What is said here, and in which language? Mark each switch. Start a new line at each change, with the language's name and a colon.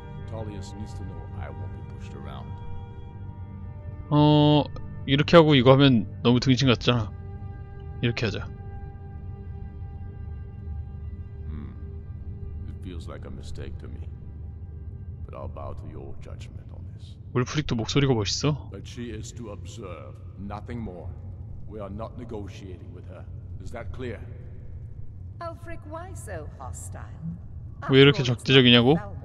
English: Talius needs to know I won't be pushed around.
Korean: 어 이렇게 하고 이거 하면 너무 등신 같잖아. 이렇게 하자.
English: It feels like a mistake to me, but I'll bow to your judgment on this.
Korean: 울프릭도 목소리가 멋있어.
English: But she is to observe, nothing more. We are not negotiating with her. Is that clear? Ulfric, why so hostile?
Korean: 왜 이렇게 적대적이냐고?